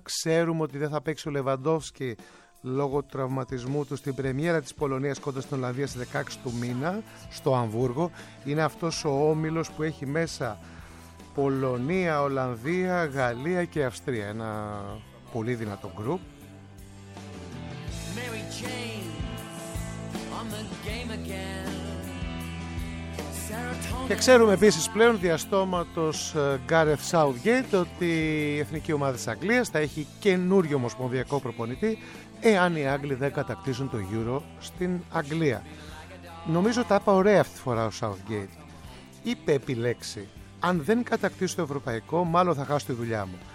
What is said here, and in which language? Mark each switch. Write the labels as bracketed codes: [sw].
[el] Ξέρουμε ότι δεν θα παίξει ο Λεβαντόφσκι λόγω του τραυματισμού του στην πρεμιέρα της Πολωνίας κοντά στην Ολλανδία στις 16 του μήνα στο Αμβούργο. Είναι αυτός ο όμιλος που έχει μέσα Πολωνία, Ολλανδία, Γαλλία και Αυστρία. Ένα πολύ δυνατό γκρουπ. [en] Mary Jane, on the game again. [el] Και ξέρουμε επίσης πλέον διαστόματος Gareth Southgate ότι η Εθνική Ομάδα της Αγγλίας θα έχει καινούριο ομοσπονδιακό προπονητή εάν οι Άγγλοι δεν κατακτήσουν το Euro στην Αγγλία. Νομίζω τα είπα ωραία αυτή τη φορά ο Southgate. Είπε επί λέξη, αν δεν κατακτήσω το ευρωπαϊκό, μάλλον θα χάσω τη δουλειά μου.